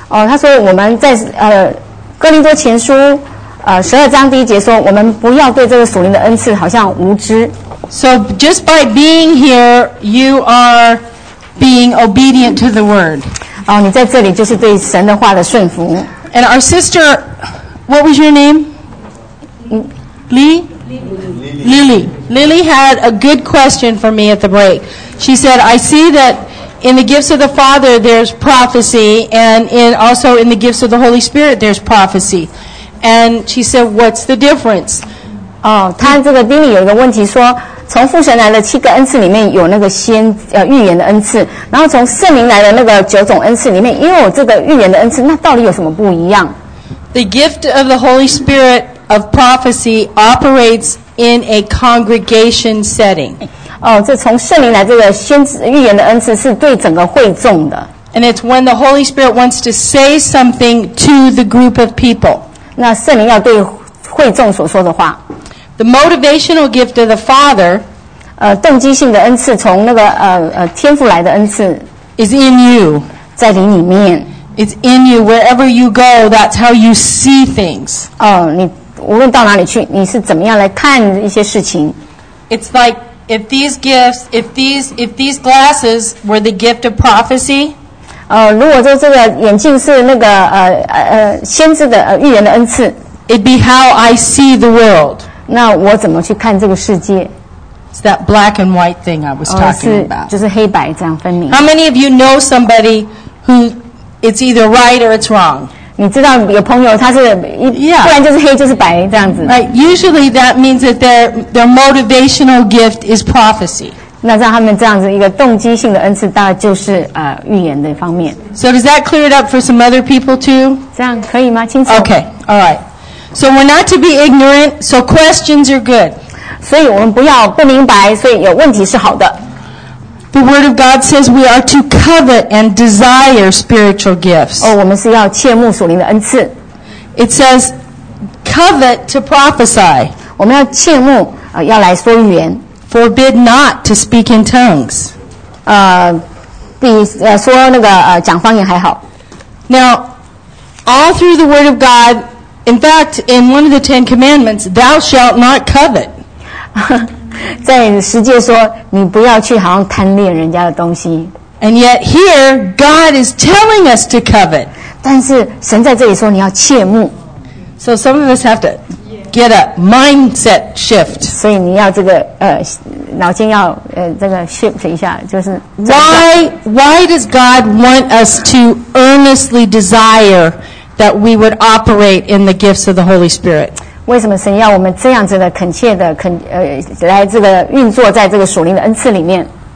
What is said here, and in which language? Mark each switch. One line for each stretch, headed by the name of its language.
Chinese: 哦，他说我们在哥林多前书十二章第一节说，我们不要对这个属灵的恩赐好像无知。
English: So just by being here, you are being obedient to the word.
Chinese: 哦，你在这里就是对神的话的顺服。
English: And our sister, what was your name? Lee? Lily. Lily had a good question for me at the break. She said, I see that in the gifts of the Father, there's prophecy, and also in the gifts of the Holy Spirit, there's prophecy. And she said, what's the difference?
Chinese: 哦，她这个丁里有一个问题说，从父神来的七个恩赐里面有那个先预言的恩赐，然后从圣灵来的那个九种恩赐里面又有这个预言的恩赐，那到底有什么不一样？
English: The gift of the Holy Spirit of prophecy operates in a congregation setting.
Chinese: 哦，这从圣灵来这个先预言的恩赐是对整个会众的。
English: And it's when the Holy Spirit wants to say something to the group of people.
Chinese: 那圣灵要对会众所说的话。
English: The motivational gift of the Father,
Chinese: 动机性的恩赐从那个天父来的恩赐
English: is in you,
Chinese: 在你里面
English: It's in you wherever you go. That's how you see things.
Chinese: 哦，你无论到哪里去，你是怎么样来看一些事情
English: ？It's like if these gifts, if these glasses were the gift of prophecy.
Chinese: 如果说这个眼镜是那个先知的预言的恩赐
English: ，It'd be how I see the world.
Chinese: 那我怎么去看这个世界
English: It's that black and white thing I was talking about.
Chinese: 就是黑白这样分明。
English: How many of you know somebody who it's either right or it's wrong?
Chinese: 你知道有朋友他是不然就是黑就是白这样子。
English: Right, usually that means that their motivational gift is prophecy.
Chinese: 那让他们这样子一个动机性的恩赐大概就是预言的方面。
English: So does that clear it up for some other people too?
Chinese: 这样可以吗清楚
English: Okay, all right. So we're not to be ignorant. So questions are good.
Chinese: 所以我们不要不明白，所以有问题是好的。
English: The word of God says we are to covet and desire spiritual gifts.
Chinese: 哦，我们是要切慕属灵的恩赐。
English: It says covet to prophesy.
Chinese: 我们要切慕要来说预言。
English: Forbid not to speak in tongues.
Chinese: 比说那个讲方言还好。
English: Now, all through the word of God. In fact, in one of the Ten Commandments, thou shalt not covet.
Chinese: 在十诫说，你不要去好像贪恋人家的东西。
English: And yet here, God is telling us to covet.
Chinese: 但是神在这里说你要切慕。
English: So some of us have to get a mindset shift.
Chinese: 所以你要这个脑筋要这个 shift 一下，就是。
English: Why does God want us to earnestly desire? That we would operate in the gifts of the Holy Spirit.
Chinese: 为什么神要我们这样子的恳切的恳来这个运作在这个属灵的恩赐里面